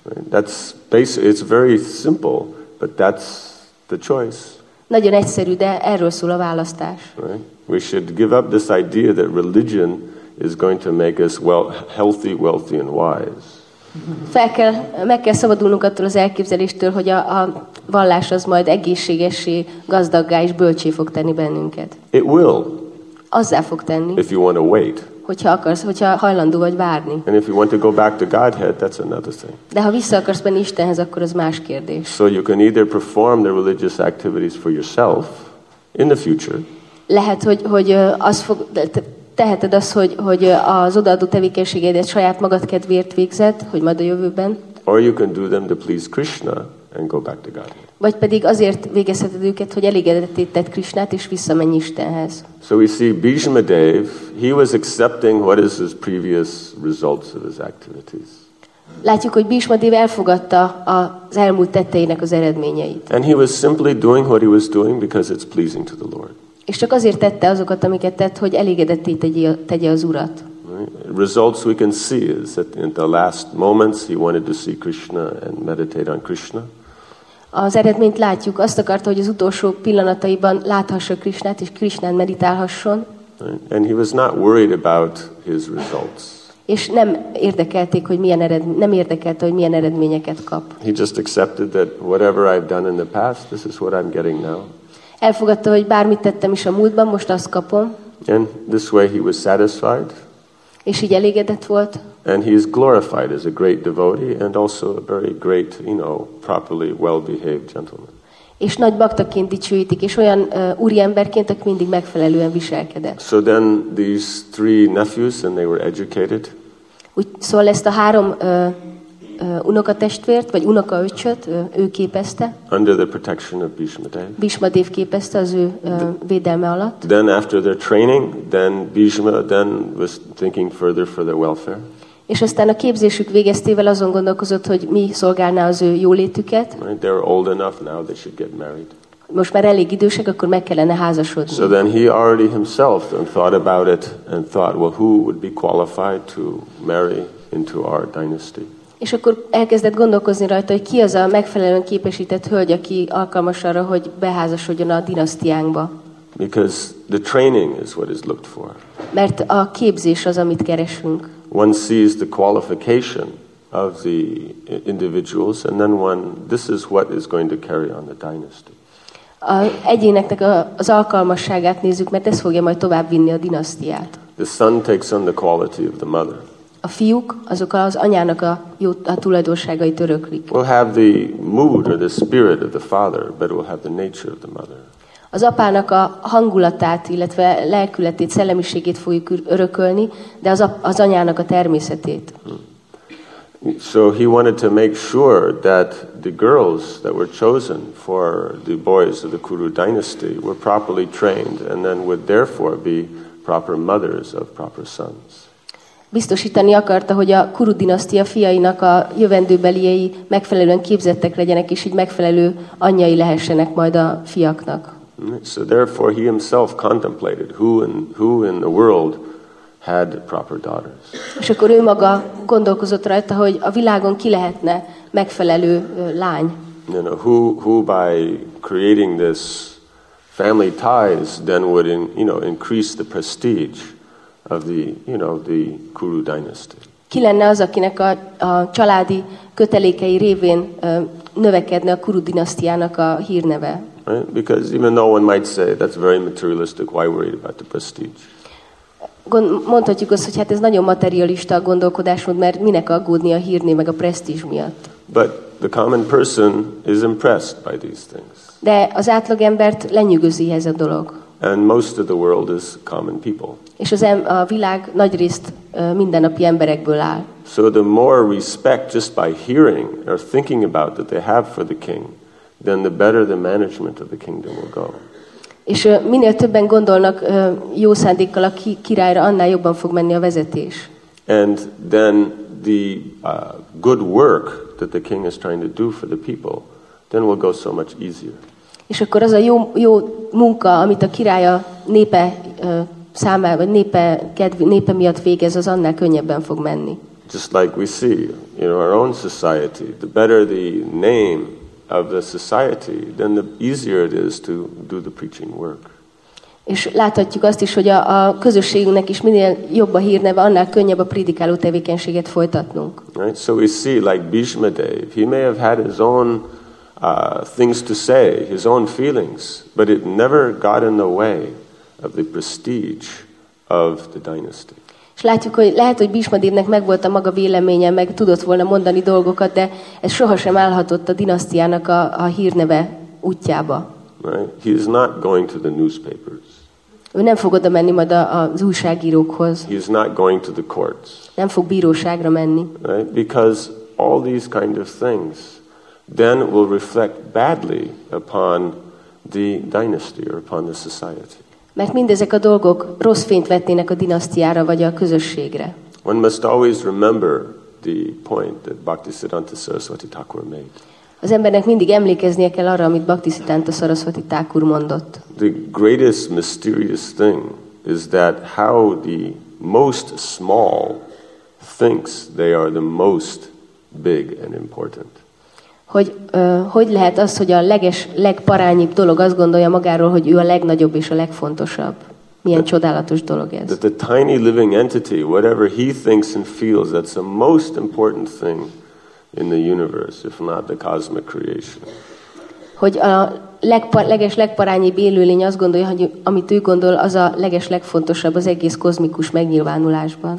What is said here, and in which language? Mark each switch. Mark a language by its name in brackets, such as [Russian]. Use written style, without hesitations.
[English] That's basic, it's very simple, but that's the choice. [Hungarian] Nagyon egyszerű, de erről szól a választás. [English] Right? We should give up this idea that religion is going to make us healthy, wealthy and wise. [Hungarian] Meg kell szabadulnunk attól az elképzeléstől, hogy a vallás az majd egészségessé, gazdaggá és bölcsé fog tenni bennünket. [English] It will. [Hungarian] Azzá fog tenni. [English] If you want to wait. [Hungarian] Hogyha hajlandó vagy várni. [English] And if you want to go back to Godhead, that's another thing. [Hungarian] De ha vissza akarsz menni Istenhez, akkor az más kérdés. [English] So you can either perform the religious activities for yourself in the future. [Hungarian] Lehet, hogy az fog... Teheted azt, hogy az odaadó tevékenységedet saját magad kedvéért végzed, hogy majd a jövőben. [English] Or you can do them to please Krishna and go back to God. [Hungarian] Vagy pedig azért végezheted őket, hogy elégedetté tett Krishnát, és visszamenj Istenhez. [English] So we see Bhishma Dev, he was accepting what is his previous results of his activities. [Hungarian] Látjuk, hogy Bhishma Dev elfogadta az elmúlt tetteinek az eredményeit. [English] And he was simply doing what he was doing because it's pleasing to the Lord. [Hungarian] És csak azért tette azokat, amiket tett, hogy elégedetté tegye az Urat. [English] Results we can see is that in the last moments he wanted to see Krishna and meditate on Krishna. [Hungarian] Az eredményt látjuk, azt akarta, hogy az utolsó pillanataiban láthassa Krishnát és Krishnán meditálhasson. [English] And he was not worried about his results. [Hungarian] És nem érdekelte, hogy milyen eredményeket kap. [English] He just accepted that whatever I've done in the past, this is what I'm getting now. [Hungarian] Elfogadta, hogy bármit tettem is a múltban, most azt kapom. [English] And this way he was satisfied. [Hungarian] És így elégedett volt. [English] And he is glorified as a great devotee and also a very great, you know, properly well-behaved gentleman. [Hungarian] és nagy baktaként dicsőítik, és olyan úriemberként, aki mindig megfelelően viselkedett. [English] So then these three nephews, and they were educated. [Hungarian] Szóval ezt a három unokatestvért, vagy unokaöcsöt, ő képezte. [English] Under the protection of Bhishma Dev. [Hungarian] Bhishma Dev képezte az ő védelme alatt. [English] Then after their training, then Bhishma then was thinking further for their welfare. [Hungarian] És aztán a képzésük végeztével azon gondolkozott, hogy mi szolgálná az ő jólétüket. [English] Right, they're old enough now, they should get married. [Hungarian] Most már elég idősek, akkor meg kellene házasodni. [English] So then he already himself thought about it and thought, well, who would be qualified to marry into our dynasty? [Hungarian] És akkor elkezdett gondolkozni rajta, hogy ki az a megfelelően képesített hölgy, aki alkalmas arra, hogy beházasodjon a dinasztiánkba. [English] Because the training is what is looked for. [Hungarian] Mert a képzés az, amit keresünk. [English] One sees the qualification of the individuals, and then one, this is what is going to carry on the dynasty. [Hungarian] A egyéneknek az alkalmasságát nézzük, mert ez fogja majd továbbvinni a dinasztiát. [English] The son takes on the quality of the mother. [Hungarian] A fiúk azok az anyának a tulajdonságait öröklik. [English] We'll have the mood or the spirit of the father, but we'll have the nature of the mother. [Hungarian] Az apának a hangulatát, illetve lelkületét, szellemiségét fogjuk örökölni, de az anyának a természetét. [English] So he wanted to make sure that the girls that were chosen for the boys of the Kuru dynasty were properly trained and then would therefore be proper mothers of proper sons. [Hungarian] Biztosítani akarta, hogy a Kuru dinasztia fiainak a jövendőbeliei megfelelően képzettek legyenek, és így megfelelő anyjai lehessenek majd a fiaknak. [English] So therefore he himself contemplated who in the world had proper daughters. [Hungarian] És akkor ő maga gondolkozott rajta, hogy a világon ki lehetne megfelelő lány. [English] You know, who by creating this family ties then would increase the prestige of the Kuru dynasty. [Hungarian] Ki lenne az, akinek a családi kötelékei révén növekedne a Kuru dinasztiának a hírneve? [English] Right? Because even though one might say that's very materialistic, why worry about the prestige? [Hungarian] Mondhatjuk azt, hogy hát ez nagyon materialista a gondolkodásmód, mert minek aggódni a hírné meg a presztízs miatt. [English] But the common person is impressed by these things. [Hungarian] De az átlagembert lenyűgözi ez a dolog. [English] And most of the world is common people. [Hungarian] És a világ nagy részt mindennapi emberekből áll. [English] So the more respect just by hearing or thinking about that they have for the king, then the better the management of the kingdom will go. [Hungarian] És minél többen gondolnak jó szándékkal a királyra, annál jobban fog menni a vezetés. [English] And then the good work that the king is trying to do for the people, then will go so much easier. [Hungarian] És akkor az a jó munka, amit a király a népe számára, vagy népe miatt végez, az annál könnyebben fog menni. [English] Just like we see in our own society, the better the name of the society, then the easier it is to do the preaching work. [Hungarian] És láthatjuk azt is, hogy a közösségünknek is minél jobb a hírneve, annál könnyebb a prédikáló tevékenységet folytatnunk. [English] Right? So we see, like Bhishma Dev, he may have had his own things to say, his own feelings, but it never got in the way of the prestige of the dynasty. [Hungarian] És látjuk, hogy lehet, hogy Bhishma Devnek megvolt a maga véleménye, meg tudott volna mondani dolgokat, de ez sohasem állhatott a dinasztiának a hírneve útjába. [English] Right? He is not going to the newspapers. [Hungarian] Ő nem fog oda menni majd az újságírókhoz. [English] He is not going to the courts. [Hungarian] Nem fog bíróságra menni. [English] Right? Because all these kind of things then will reflect badly upon the dynasty or upon the society. [Hungarian] Mert mindezek a dolgok rossz fényt vetnének a dinasztiára vagy a közösségre. [English] One must always remember the point that Bhaktisiddhanta Saraswati Thakur made. [Hungarian] Az embernek mindig emlékeznie kell arra, amit Bhaktisiddhanta Saraswati Thakur mondott. [English] The greatest mysterious thing is that how the most small thinks they are the most big and important. [Hungarian] Hogy lehet az, hogy a legparányibb dolog azt gondolja magáról, hogy ő a legnagyobb és a legfontosabb. Milyen csodálatos dolog ez. [English] That the tiny living entity, whatever he thinks and feels, that's the most important thing in the universe, if not the cosmic creation. [Hungarian] Hogy a legparányibb élőlény azt gondolja, hogy amit ő gondol, az a legfontosabb az egész kozmikus megnyilvánulásban.